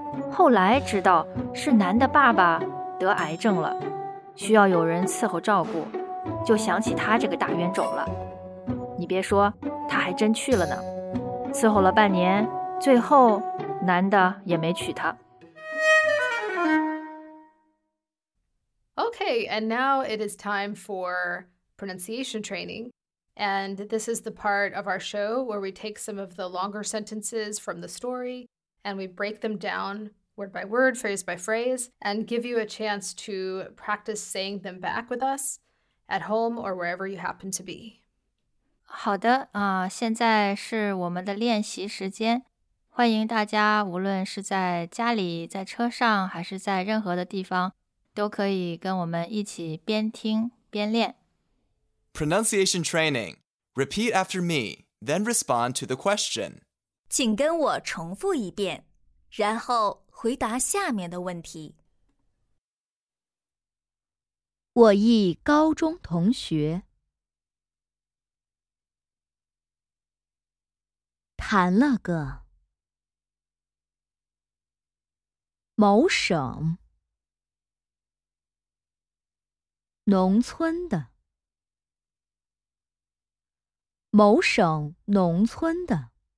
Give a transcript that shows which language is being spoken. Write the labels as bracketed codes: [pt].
[zh] 后来知道是男的爸爸得癌症了，需要有人伺候照顾，就想起他这个大冤种了。你别说，他还真去了呢，伺候了半年，最后男的也没娶她。 [en] Okay, and now it is time for pronunciation training. And this is the part of our show where we take some of the longer sentences from the story and we break them down word by word, phrase by phrase, and give you a chance to practice saying them back with us at home or wherever you happen to be. [zh] 好的，现在是我们的练习时间。欢迎大家，无论是在家里、在车上，还是在任何的地方，都可以跟我们一起边听边练。 [en] Pronunciation training. Repeat after me, then respond to the question. [zh] 请跟我重复一遍，然后回答下面的问题。我一高中同学谈了个某省农村的某省农村的